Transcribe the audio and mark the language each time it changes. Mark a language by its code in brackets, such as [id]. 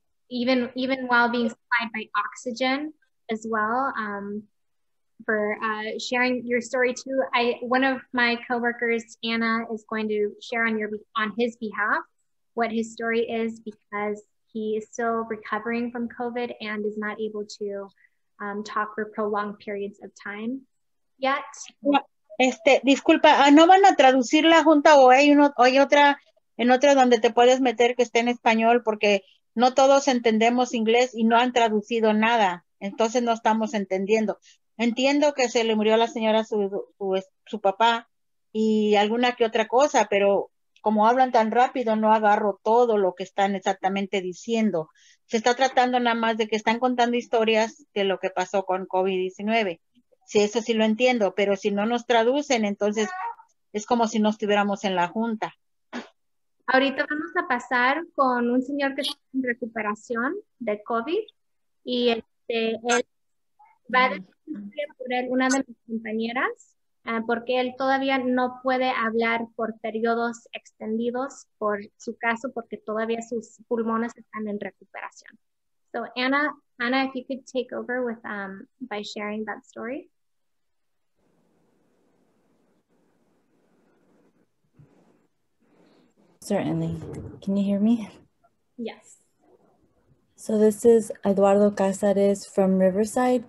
[en] Even while being supplied by oxygen as well, for sharing your story too. One of my coworkers, Anna, is going to share on his behalf what his story is, because he is still recovering from COVID and is not able to talk for prolonged periods of time yet. [es] Disculpa, ¿no van a traducir la junta o hay otra en otra donde te puedes meter que esté en español? Porque no todos entendemos inglés y no han traducido nada. Entonces no estamos entendiendo. Entiendo que se le murió a la señora su papá y alguna que otra cosa, pero como hablan tan rápido, no agarro todo lo que están exactamente diciendo. Se está tratando nada más de que están contando historias de lo que pasó con COVID-19. Sí, eso sí lo entiendo, pero si no nos traducen, entonces es como si no estuviéramos en la junta. Ahorita vamos a pasar con un señor que está en recuperación de COVID y él va a decir por él una de mis compañeras porque él todavía no puede hablar por periodos extendidos por su caso porque todavía sus pulmones están en recuperación. [en] So Anna, if you could take over with by sharing that story. Certainly. Can you hear me? Yes. So this is Eduardo Cáceres from Riverside.